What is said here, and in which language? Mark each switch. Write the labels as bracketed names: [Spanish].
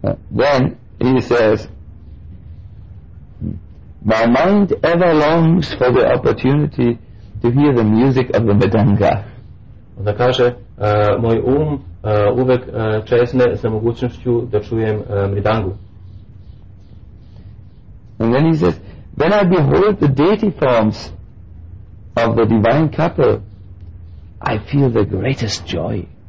[English] Then he says, my mind ever longs for the opportunity to hear the music of the Madanga. [Serbian] Onda kaže, moj um uvek čezne sa mogućnošću da čujem mridangu. [English] And then he says, when I behold the deity forms of the divine couple, I feel the greatest joy.